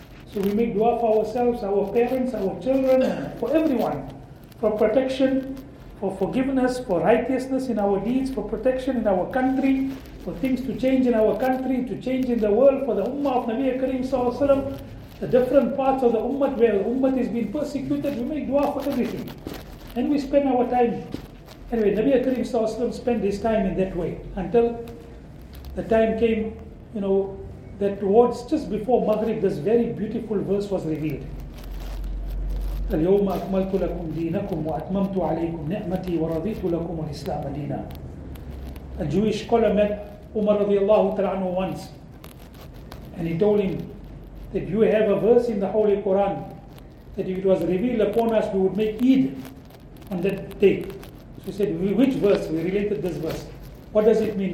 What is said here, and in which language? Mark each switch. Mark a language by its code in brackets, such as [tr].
[en] So we make dua for ourselves, our parents, our children, for everyone, for protection, for forgiveness, for righteousness in our deeds, for protection in our country, for things to change in our country, to change in the world, for the ummah of Nabi Karim Sallallahu Alaihi Wasallam, the different parts of the ummah where ummah is being persecuted. We make dua for everything. And we spend our time. Anyway, Nabi Karim Sallallahu Alaihi Wasallam spent his time in that way until the time came, you know, that towards just before Maghrib, this very beautiful verse was revealed. [ar] اليوم أكملت لكم دينكم وأتممت عليكم نعمتي ورضيت لكم الإسلام دينا. [en] A Jewish scholar met Umar [ar] رضي الله تعالى عنه [en] once, and he told him that you have a verse in the Holy Quran that if it was revealed upon us, we would make Eid on that day. So he said, which verse? We related this verse. What does it mean?